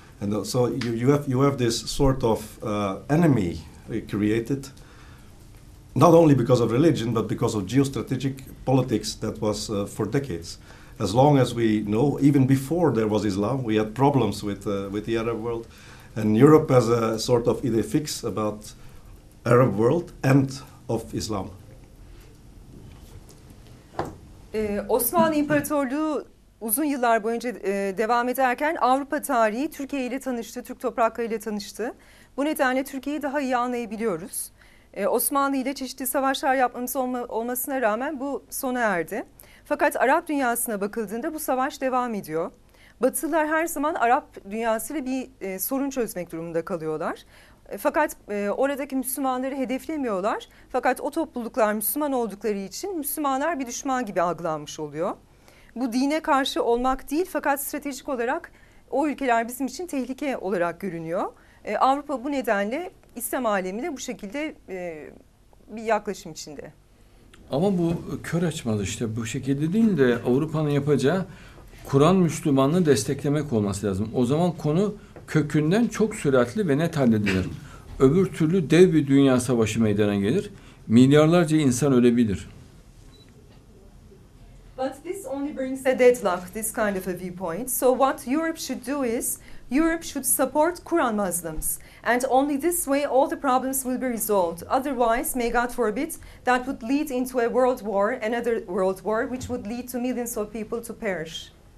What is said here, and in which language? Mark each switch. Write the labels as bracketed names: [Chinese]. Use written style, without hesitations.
[English] And so you have this sort of enemy created, not only because of religion, but because of geostrategic politics that was for decades. As long as we know, even before there was Islam, we had problems with the Arab world. And Europe has a sort of idée fixe about Arab world and of Islam. [Turkish] Osmanlı İmparatorluğu uzun yıllar boyunca devam ederken Avrupa tarihi Türkiye ile tanıştı, Türk topraklarıyla tanıştı. Bu nedenle Türkiye'yi daha iyi anlayabiliyoruz. Osmanlı ile çeşitli savaşlar yapmamız olmasına rağmen bu sona erdi. Fakat Arap dünyasına bakıldığında bu savaş devam ediyor. Batılılar her zaman Arap dünyasıyla bir sorun çözmek durumunda kalıyorlar. Fakat oradaki Müslümanları hedeflemiyorlar. Fakat o topluluklar Müslüman oldukları için Müslümanlar bir düşman gibi algılanmış oluyor. Bu dine karşı olmak değil, fakat stratejik olarak o ülkeler bizim için tehlike olarak görünüyor. Avrupa bu nedenle İslam alemiyle bu şekilde bir yaklaşım içinde. Ama bu kör açmalı işte, bu şekilde değil de Avrupa'nın yapacağı Kur'an Müslümanlığı desteklemek olması lazım. O zaman konu kökünden çok süratli ve net halledilir. Öbür türlü dev bir dünya savaşı meydana gelir. Milyarlarca insan ölebilir. [English] But this only brings a deadlock, this kind of a viewpoint. So what Europe should do is, Europe should support Quran Muslims. And only this way all the problems will be resolved. Otherwise, may God forbid, that would lead into a world war, another world war, which would lead to millions of people to perish.